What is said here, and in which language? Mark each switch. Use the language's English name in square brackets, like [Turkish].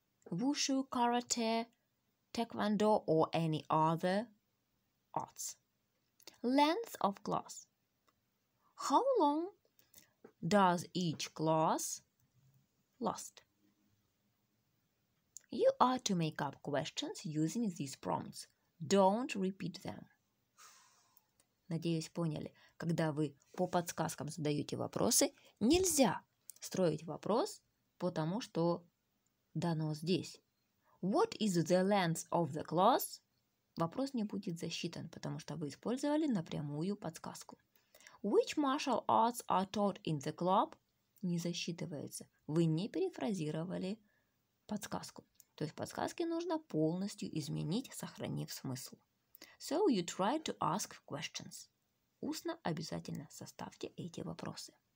[English] Wushu, karate, taekwondo, or any other arts? Length of class. How long does each class last? You are to make up questions using these prompts. Don't repeat them. [Russian] Надеюсь, поняли. Когда вы по подсказкам задаете вопросы, нельзя строить вопрос по тому, что дано здесь. [English] What is the length of the class? [Russian] Вопрос не будет засчитан, потому что вы использовали напрямую подсказку. [English] Which martial arts are taught in the club? [Russian] Не засчитывается. Вы не перефразировали подсказку. То есть подсказки нужно полностью изменить, сохранив смысл. [English] So you try to ask questions. [Russian] Устно обязательно составьте эти вопросы.